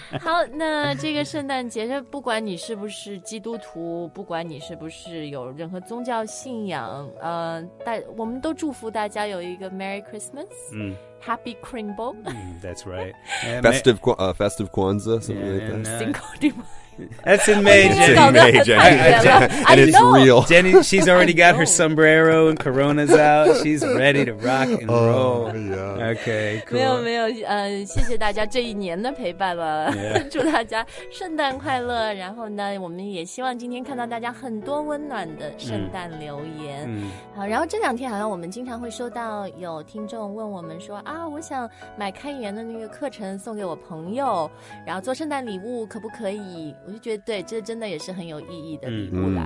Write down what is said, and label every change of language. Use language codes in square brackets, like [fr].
[zh] 好那这个圣诞节就不管你是不是基督徒不管你是不是有任何宗教信仰、我们都祝福大家有一个 Merry Christmas.、 Mm. [en] Happy Kringle.、 Mm, that's right. Festive Kwanzaa, something yeah, like that. Cinco de Mayo. That's in May, Jenny. It's in May, Jenny. And it's real. Jenny, she's already got her sombrero and coronas out. She's ready to rock and roll. Oh, yeah. Okay, cool. [zh] 没有没有、谢谢大家这一年的陪伴了。 [en] Yeah. [zh] 祝大家圣诞快乐。然后呢我们也希望今天看到大家很多温暖的圣诞留言。嗯、好然后这两天好像我们经常会收到有听众问我们说啊我想买开源的那个课程送给我朋友然后做圣诞礼物可不可以我就觉得对这真的也是很有意义的礼物啦、